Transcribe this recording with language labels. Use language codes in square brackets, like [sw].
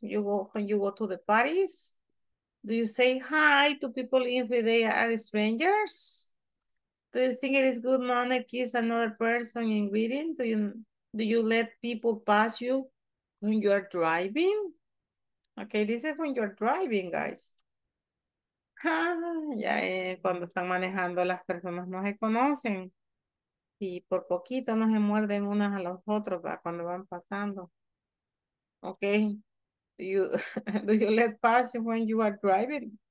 [en] You go, when you go to the parties, do you say hi to people if they are strangers? Do you think it is good manner to kiss another person in greeting? Do you let people pass you when you are driving? Okay, this is when you're driving, guys. [es] Ya, cuando están manejando, las personas no se conocen. Y por poquito no se muerden unas a los otros, ¿verdad? Cuando van pasando. Ok. [en] Do you let pass you when you are driving?